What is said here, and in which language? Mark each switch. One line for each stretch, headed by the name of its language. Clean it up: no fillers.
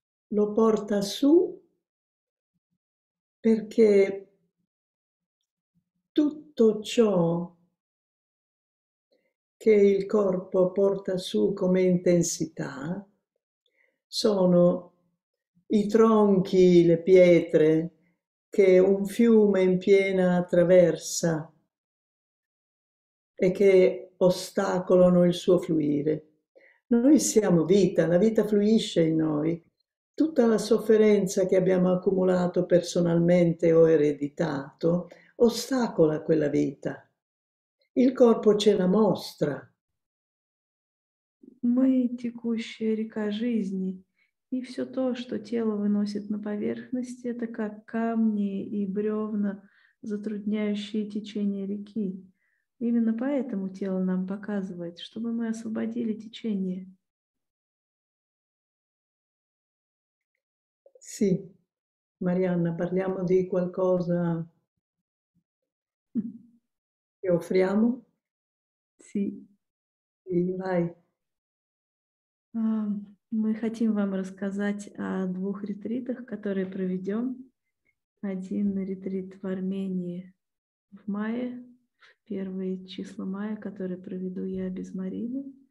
Italian: Lo porta su perché tutto ciò che il corpo porta su come intensità sono i tronchi, le pietre che un fiume in piena attraversa e che ostacolano il suo fluire. Noi siamo vita, la vita fluisce in noi. Tutta la sofferenza che abbiamo accumulato personalmente o ereditato ostacola quella vita. Il corpo ce la mostra.
Russian: Мы текущая река жизни, и все то, что тело выносит на поверхность, это как камни и бревна, затрудняющие течение реки. Именно поэтому тело нам показывает, чтобы мы освободили течение.
Italian: Sì, Marianna, parliamo di qualcosa che offriamo? Sì. Vai.
Russian: Мы хотим вам рассказать о двух ретритах, которые проведем. Один ретрит в Армении в мае, первые числа мая, которые проведу я без Марины.